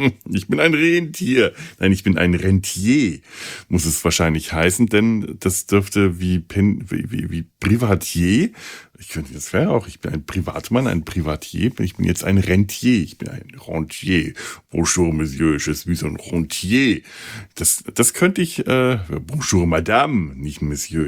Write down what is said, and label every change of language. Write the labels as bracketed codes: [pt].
[de] Ich bin ein Rentier. Nein, ich bin ein Rentier, muss es wahrscheinlich heißen, denn das dürfte wie Privatier. Ich könnte jetzt wäre auch, ich bin ein Privatmann, ein Privatier. Ich bin jetzt ein Rentier. Ich bin ein Rentier. [fr] Bonjour, monsieur, je suis un Rentier. [de] Das könnte ich, [fr] bonjour, madame, [de] nicht monsieur.